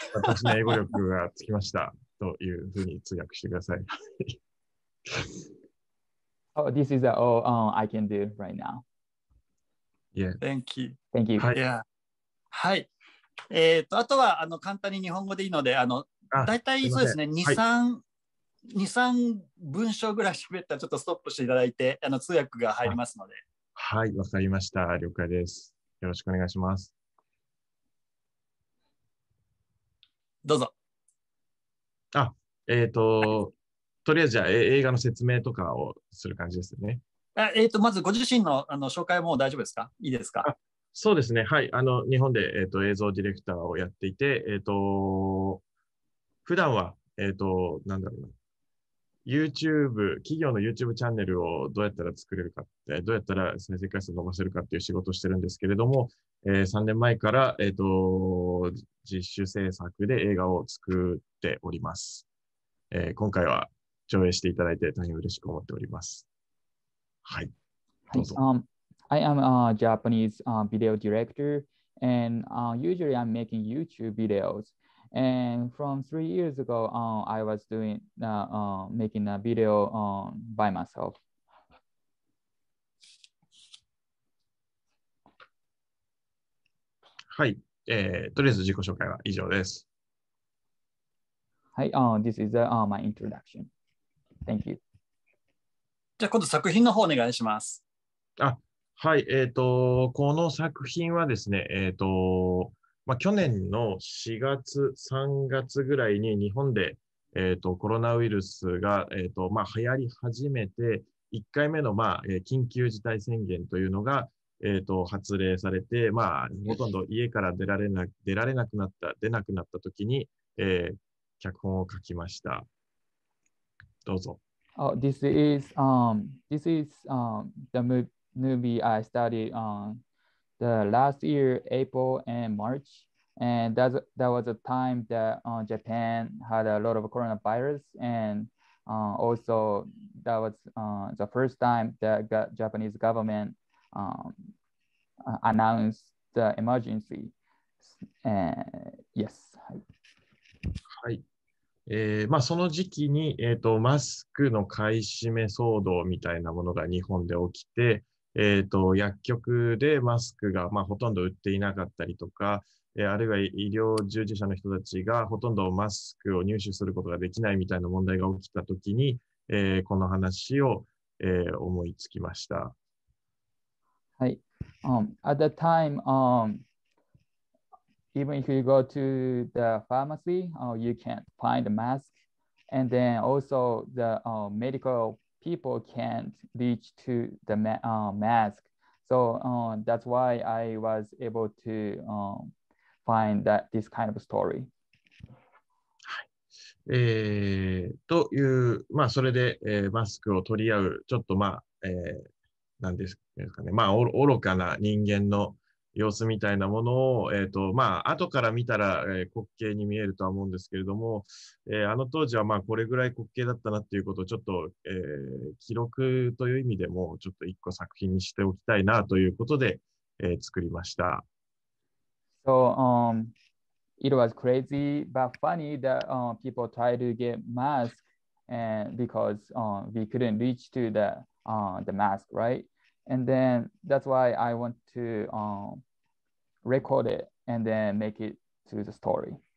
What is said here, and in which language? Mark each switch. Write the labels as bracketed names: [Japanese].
[Japanese] 私の英語力がつきました。というふうに通訳してください。 [English] Oh, this is all I can do right now. Yeah. Thank you. Thank you. Yeah. はい。 [Japanese] あとは簡単に日本語でいいので、だいたいそうですね、2、3文章ぐらい喋ったらちょっとストップしていただいて、通訳が入りますので。はい、わかりました。了解です。よろしくお願いします。どうぞ。とりあえずじゃあ映画の説明とかをする感じですね。まずご自身の紹介も大丈夫ですか？いいですか？そうですね。はい。日本で、映像ディレクターをやっていて、普段は、なんだろうな。 YouTube、企業の YouTube チャンネルをどうやったら作れるかって、どうやったら再生回数を伸ばせるかっていう仕事をしてるんですけれども、3年前から、実習制作で映画を作っております。今回は、上映していただいて大変嬉しく思っております。はい。どうぞ。 [English] I am a Japanese video director, and usually I'm making YouTube videos. And from 3 years ago, I was doing making a video by myself. [Japanese] はい。とりあえず自己紹介は以上です。 [English] はい。This is my introduction. Thank you. [Japanese] じゃあ今度作品の方お願いします。あ、はい、この作品はですね、まあ、去年の4月、3月ぐらいに日本で、コロナウイルスが、まあ、流行り始めて、1回目の、まあ、緊急事態宣言というのが、発令されて、まあ、ほとんど家から出なくなった時に、脚本を書きました。どうぞ。 [English] Oh, this is the movie I started the last year, April and March. And that was a time that Japan had a lot of coronavirus. And also that was the first time that Japanese government announced the emergency. Yes. [Japanese] はい。まあ、その時期に、マスクの買い占め騒動みたいなものが日本で起きて、薬局でマスクが、まあ、ほとんど売っていなかったりとか、あるいは医療従事者の人たちがほとんどマスクを入手することができないみたいな問題が起きたときに、この話を、思いつきました。はい。 [English] At the time, Even if you go to the pharmacy, you can't find a mask. And then also the medical people can't reach to the mask. So that's why I was able to find that this kind of story. [Japanese] はい。という、まあ、それで、マスクを取り合う、ちょっとまあ、なんですかね、まあ、愚かな人間の様子みたいなものを、まあ後から見たら、滑稽に見えるとは思うんですけれども、あの当時はまあこれぐらい滑稽だったなっていうことをちょっと、記録という意味でもちょっと一個作品にしておきたいなということで、作りました。 [English] So, it was crazy but funny that people try to get mask and because we couldn't reach to the mask, right? And then that's why I want to record it and then make it to the story.